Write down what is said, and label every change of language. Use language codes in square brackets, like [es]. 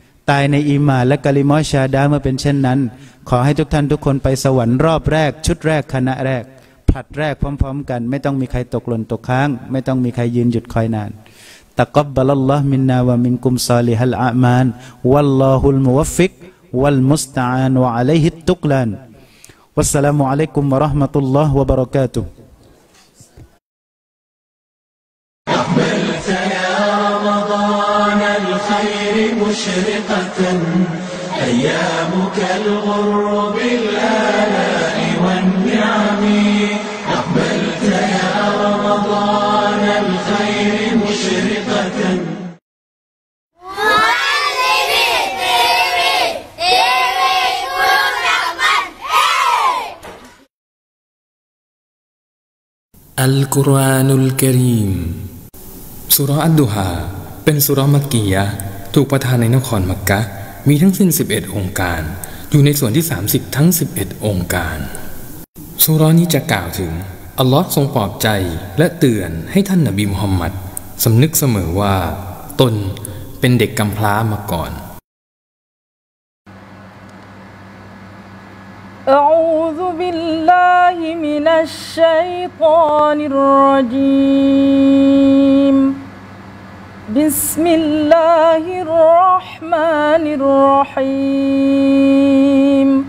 [th] ตายในอีหม่านและกะลิมอฮ์ชาดาเมื่อเป็นเช่นนั้นขอให้ทุกท่านทุกคนไปสวรรค์รอบแรกชุดแรกคณะแรกผลัดแรกพร้อมๆกันไม่ต้องมีใครตกหล่นตกค้างไม่ต้องมีใครยืนหยุดคอยนาน [ar] تقبل الله منا ومنكم صالح الأعمال والله الموفق والمستعان وعليه التقلان والسلام عليكم ورحمة الله وبركاته أقبل يا رمضان الخير مشرقة أيامك الغر بالآلاء والنعم أقبل يا رمضان الخير مشرقة [th] อัลกุรอานุลกะรีมซูเราะห์อัดดุฮาเป็นซูเราะห์มักกียะห์ถูกประทานในนครมักกะห์มีทั้งสิ้น11องค์การอยู่ในส่วนที่30ทั้ง11องค์การซูเราะห์นี้จะกล่าวถึงอัลเลาะห์ทรงปลอบใจและเตือนให้ท่านนบีมุฮัมมัดสำนึกเสมอว่าตนเป็นเด็กกำพร้ามาก่อน [ar] أعوذ بالله من الشيطان الرجيم بسم الله الرحمن الرحيم